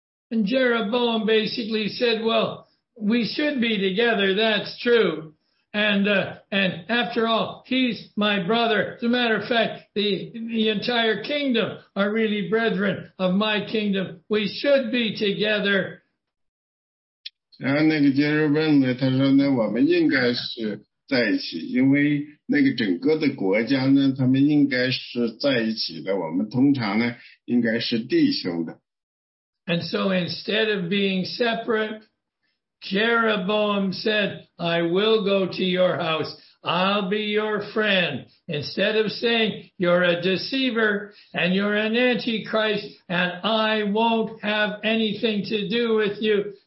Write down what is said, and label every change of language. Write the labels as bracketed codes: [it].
[en] And Jeroboam basically said, well, we should be together, that's true. And after all, he's my brother. As a matter of fact, the entire kingdom are really brethren of my kingdom. We should be together. [zh] 然后那个 Jeroboam 呢他说呢我们应该是在一起因为那个整个的国家呢他们应该是在一起的我们通常呢应该是弟兄的。 [en] And so instead of being separate, Jeroboam said, I will go to your house. I'll be your friend. Instead of saying, you're a deceiver and you're an antichrist and I won't have anything to do with you,